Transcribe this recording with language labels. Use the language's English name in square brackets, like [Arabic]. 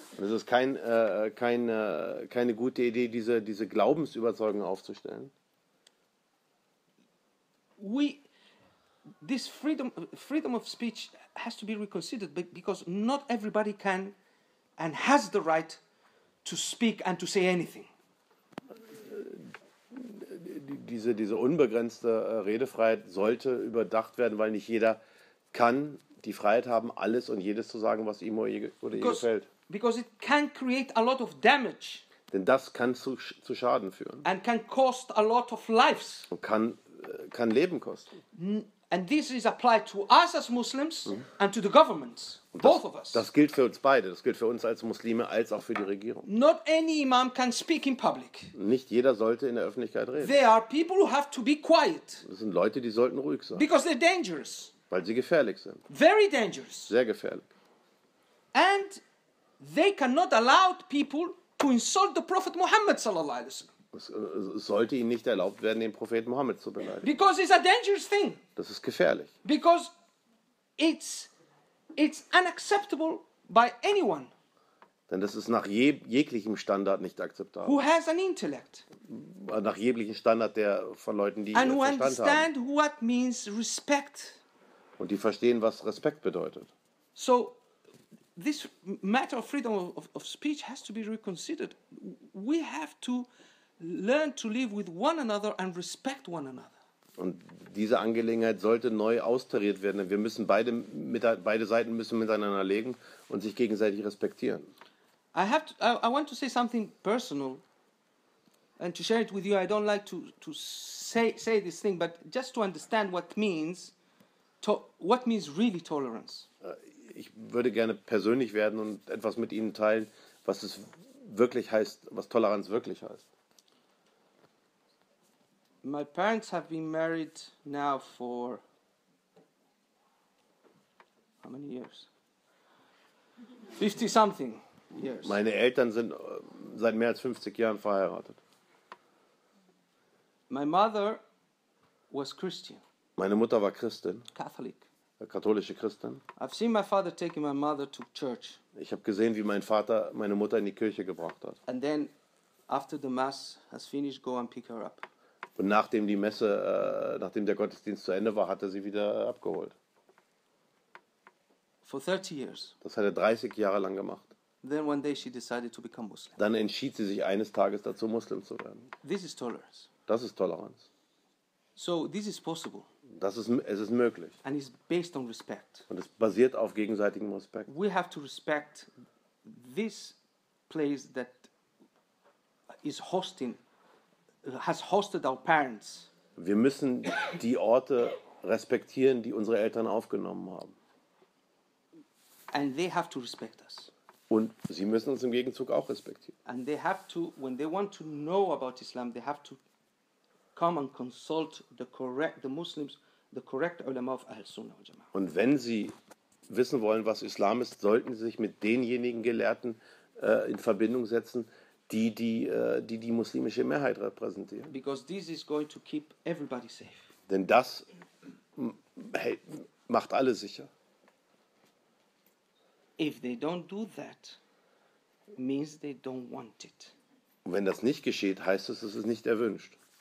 [German] Das ist keine gute Idee, diese Glaubensüberzeugung aufzustellen. [English] This freedom of speech has to be reconsidered, because not everybody can and has the right to speak and to say anything. [German] Diese unbegrenzte Redefreiheit sollte überdacht werden, weil nicht jeder kann die Freiheit haben, alles und jedes zu sagen, was ihm oder ihr gefällt. [English] Because it can create a lot of damage. [German] Denn das kann zu Schaden führen. [English] And can cost a lot of lives. [German] Und kann Leben kosten. [English] And this is applied to us as Muslims and to the governments, both of us. [German] Das gilt für uns beide. Das gilt für uns als Muslime als auch für die Regierung. [English] Not any imam can speak in public. [German] Nicht jeder sollte in der Öffentlichkeit reden. [English] There are people who have to be quiet. [German] Das sind Leute, die sollten ruhig sein. [English] Because they're dangerous. [German] Weil sie gefährlich sind. [English] Very dangerous. [German] Sehr gefährlich. [English] And they cannot allow people to insult the Prophet Muhammad sallallahu alaihi wasallam. [German] Es sollte ihnen nicht erlaubt werden, den Propheten Mohammed zu beleidigen. [English] Because it's a dangerous thing. [German] Das ist gefährlich. [English] Because it's unacceptable by anyone. [German] Denn das ist nach jeglichem Standard nicht akzeptabel. [English] Who has an intellect. [German] Nach jeglichem Standard der von Leuten, die [English] and [German] Verstand haben. [English] And who understand what means respect. [German] Und die verstehen, was Respekt bedeutet. [English] So, this matter of freedom of speech has to be reconsidered. We have to learn to live with one another and respect one another. [German] Und diese Angelegenheit sollte neu austariert werden. Wir müssen beide Seiten müssen miteinander legen und sich gegenseitig respektieren. [English] I want to say something personal and to share it with you. I don't like to say this thing, but just to understand what means really tolerance. [German] Ich würde gerne persönlich werden und etwas mit Ihnen teilen, was es wirklich heißt, was Toleranz wirklich heißt. [English] My parents have been married now for how many years? 50 something years. [German] Meine Eltern sind seit mehr als 50 Jahren verheiratet. [English] My mother was Christian. [German] Meine Mutter war Christin. [English] Catholic. [German] Eine katholische Christin. [English] I've seen my father taking my mother to church. [German] Ich habe gesehen, wie mein Vater meine Mutter in die Kirche gebracht hat. [English] And then after the mass has finished, go and pick her up. [German] Und nachdem die Messe, nachdem der Gottesdienst zu Ende war, hat er sie wieder abgeholt. [English] For 30 years. [German] Das hat er 30 Jahre lang gemacht. [English] Then one day she decided to become Muslim. [German] Dann entschied sie sich eines Tages dazu, Muslim zu werden. [English] This is tolerance. [German] Das ist Toleranz. [English] So this is possible. [German] Es ist möglich. [English] And it's based on respect. [German] Und es basiert auf gegenseitigem Respekt. [English] We have to respect this place that is hosting. Has hosted our parents. [German] Wir müssen die Orte respektieren, die unsere Eltern aufgenommen haben. [English] And they have to respect us. [German] Und sie müssen uns im Gegenzug auch respektieren. [English] And they have to, when they want to know about Islam, they have to come and consult the correct ulama of Ahl-Sunnah al-Jama'ah. [German] Und wenn sie wissen wollen, was Islam ist, sollten sie sich mit denjenigen Gelehrten in Verbindung setzen, die muslimische Mehrheit repräsentieren. [English] Because this is going to keep everybody safe. [German] Denn das macht alle sicher. [English] If they don't do that, means they don't want it. [German] Und wenn das nicht geschieht, heißt es, es ist nicht erwünscht.